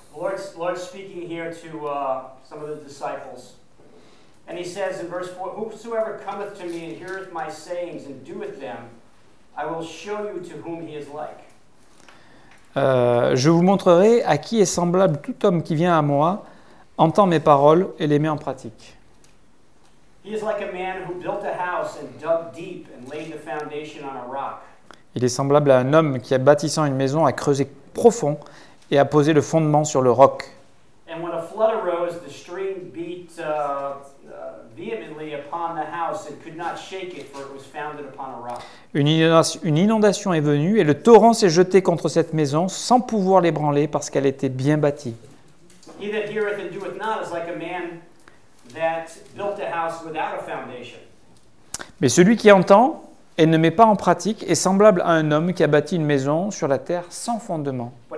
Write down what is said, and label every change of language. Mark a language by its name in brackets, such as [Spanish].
[English] Lord speaking here to some of the disciples. And he says in verse 4, whosoever cometh to me and heareth my sayings and doeth them, I will show you to whom he is like. [French] Je vous montrerai à qui est semblable tout homme qui vient à moi, entend mes paroles et les met en pratique. [English] He is like a man who built a house and dug deep and laid the foundation on a rock. [French] Il est semblable à un homme qui, bâtissant une maison, a creusé profond et a posé le fondement sur le roc. [English] And when a flood arose, the stream beat vehemently upon the house and could not shake it, for it was founded upon a rock. [French] Une inondation est venue et le torrent s'est jeté contre cette maison sans pouvoir l'ébranler parce qu'elle était bien bâtie. [English] He that heareth and doeth not is like a man that built a house without a foundation. [French] Mais celui qui entend et ne met pas en pratique est semblable à un homme qui a bâti une maison sur la terre sans fondement.